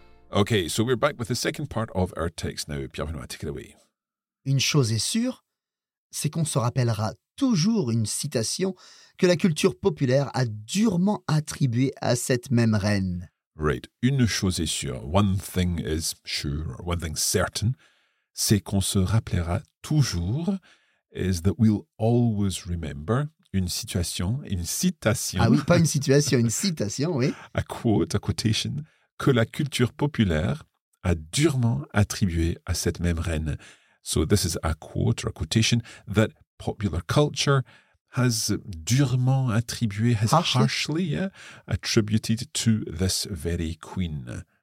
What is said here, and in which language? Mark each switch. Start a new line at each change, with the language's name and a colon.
English: Okay, so we're back with the second part of our text now. Pierre-Benoît, take it away.
French: Une chose est sûre, c'est qu'on se rappellera toujours une citation que la culture populaire a durement attribuée à cette même reine.
English: Right.
French: Une chose est sûre.
English: One thing is sure. One thing certain.
French: C'est qu'on se rappellera toujours.
English: Is that we'll always remember.
French: Une situation. Une citation. Ah oui, pas une situation. Une citation, oui.
English: A quote, a quotation.
French: Que la culture populaire a durement attribuée à cette même reine.
English: So this is a quote or a quotation that popular culture has
French: durement attribué,
English: has harshly attributed to this very queen.